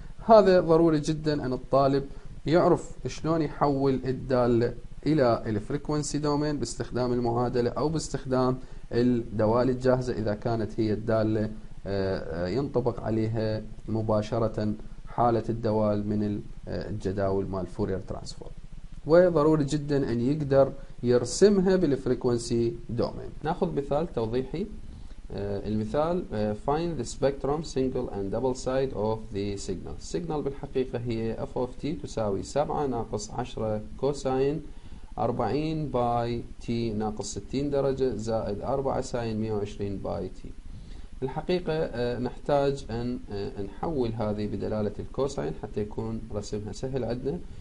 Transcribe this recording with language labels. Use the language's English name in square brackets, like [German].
[Arabic] هذا ضروري جدا أن الطالب يعرف شلون يحول الدالة إلى الفريكونسي دومين باستخدام المعادلة أو باستخدام الدوال الجاهزة إذا كانت هي الدالة ينطبق عليها مباشرة حالة الدوال من الجداول مال فورير ترانسفورم، وضروري جدا أن يقدر يرسمها بالفريكونسي دومين. نأخذ مثال توضيحي. المثال [English] find the spectrum single and double side of the signal. [Arabic] signal بالحقيقة هي f of t تساوي 7 ناقص 10 كوساين 40 باي تي ناقص 60 درجة زائد 4 ساين 120 باي تي. الحقيقة نحتاج أن نحول هذه بدلالة الكوساين حتى يكون رسمها سهل عندنا.